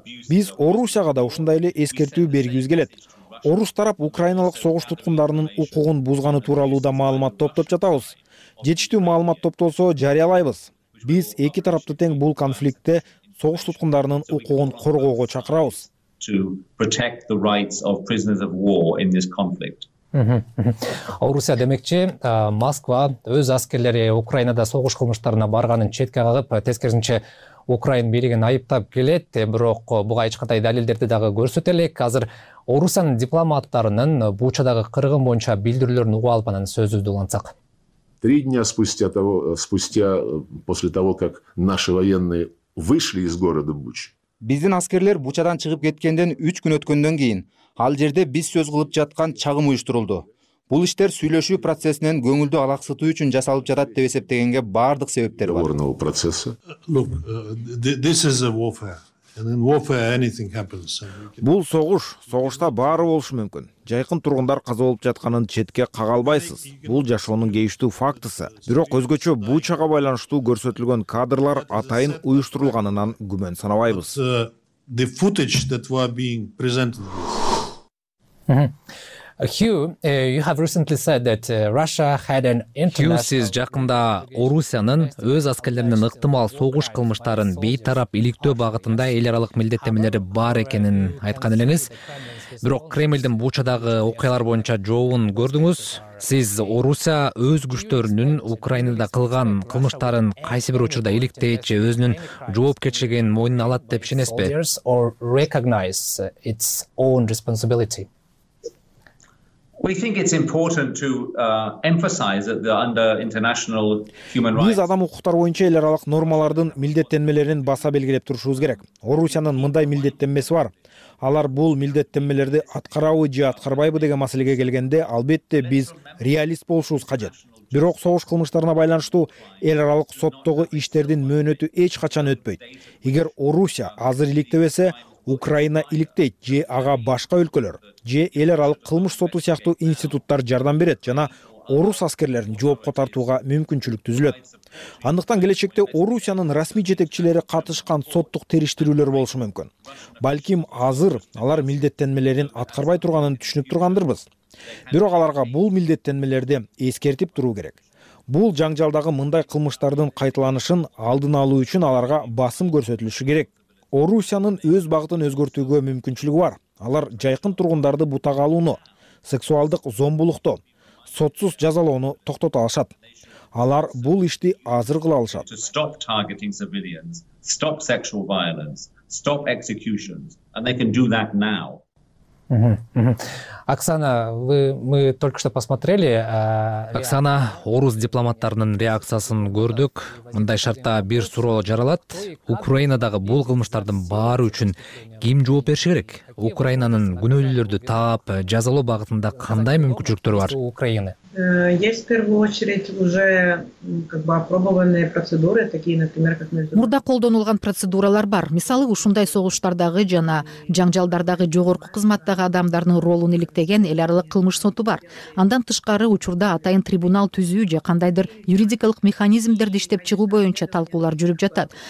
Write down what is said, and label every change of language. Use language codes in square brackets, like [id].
[ky] Биз Орусияга да ушундай эле эскертүү бергибиз келет. Орус тарап украиналык согуш туткундарынын укугун бузганы тууралуу да маалымат топтоп жатабыз. Жетиштүү маалымат топтолсо жарыялайбыз. Биз эки тарапты тең бул конфликтте согуш туткундарынын укугун коргоого чакырабыз. [en] To protect the rights of prisoners of war in this conflict. [ky] Орусия демекчи, Москва өз аскерлери Украинада согуш кылмыштарына барганын четке кагып, тескерисинче Украин бийлигин айыптап келет, бирок буга эч кандай далилдерди дагы көрсөтө элек. Азыр Орусиянын дипломаттарынын Бучадагы кыргын боюнча билдирүүлөрүн угуп алганын сөзүздү улантсак. [ru] Три дня спустя после того, как наши военные вышли из города Буч. [ky] Биздин аскерлер Бучадан чыгып кеткенден 3 күн өткөндөн кийин ал жерде биз сөз кылып жаткан чагым уюштурулду. Бул иштер сүйлөшүү процессинен көңүлдү алаксытуу үчүн жасалып жатат деп эсептегенге бардык себептер бар. Орнолу процесси. [en] Look, this is a warfare. And in warfare anything happens. [ky] Бул согуш, согушта баары болушу мүмкүн. Жайкын тургундар каза болуп жатканын четке кага албайсыз. Бул жашоонун кейиштүү фактысы. Бирок өзгөчө Бучага байланыштуу көрсөтүлгөн кадрлар атайын уюштурулганынан күмөн санабайбыз. [en] The footage that were being presented. Hugh, you have recently said that Russia had an international... [ky] Hugh, сиз жакында Орусиянын өз аскерлеринин ыктымал согуш кылмыштарын бейтарап иликтөө багытында эл аралык милдеттенмелери бар экенин айткан элеңиз. Бирок Кремлдин Бучадагы окуялар боюнча жообун көрдүңүз. Сиз Орусия өз күчтөрүнүн Украинада кылган кылмыштарын кайсы бир учурда иликтейт же өзүнүн жоопкерчилигин мойнуна алат деп ишенесизби? [en] Or recognize its own responsibility. We think it's important to emphasize that the under international human rights [ky] биз адам укуктары боюнча эл аралык нормалардын милдеттенмелерин баса белгилеп турушубуз керек. Орусиянын мындай милдеттенмеси бар. Алар бул милдеттенмелерди аткарабы же аткарбайбы деген маселеге келгенде, албетте биз реалист болушубуз кажет. Бирок согуш кылмыштарына байланыштуу эл аралык соттогу иштердин мөөнөтү эч качан өтпөйт. Эгер Орусия азыр иликтебесе, Украина иликтейт же ага башка өлкөлөр же эл аралык кылмыш соту сыяктуу институттар жардам берет жана орус аскерлерин жоопко тартууга мүмкүнчүлүк түзүлөт. Андыктан келечекте Орусиянын расмий жетекчилери катышкан соттук териштирүүлөр болушу мүмкүн. Балким азыр алар милдеттенмелерин аткарбай турганын түшүнүп тургандырбыз. Бирок аларга бул милдеттенмелерди эскертип туруу керек. Бул жаңжалдагы мындай кылмыштардын кайталанышын алдын алуу үчүн аларга басым көрсөтүлүшү керек. Орусиянын өз багытын өзгөртүүгө мүмкүнчүлүгү бар. Алар жайкын тургундарды бутага алууну, сексуалдык зомбулукту, сотсуз жазалоону токтото алышат. Алар бул ишти азыр кыла алышат. [en] Stop targeting civilians, stop sexual violence, stop executions, and they can do that now. [ru] Оксана, мы только что посмотрели. [ky] Оксана, орус дипломаттарынын реакциясын көрдүк. Мындай шартта бир суроо жаралат. Украинадагы бул кылмыштардын баары үчүн ким жооп бериши керек? Украинанын күнөөлүүлөрдү таап, жазалоо багытында кандай мүмкүнчүлүктөр бар? Украина. [ru] Есть в первую очередь уже опробованные процедуры, такие, например, как между... [ky] Мурда колдонулган процедуралар бар. Мисалы, ушундай согуштардагы жана жаңжалдардагы жогорку кызматтагы адамдардын ролун иликтеген эл аралык кылмыш соту бар. Андан тышкары учурда атайын трибунал түзүү же кандайдыр юридикалык механизмдерди иштеп чыгуу боюнча талкуулар жүрүп жатат.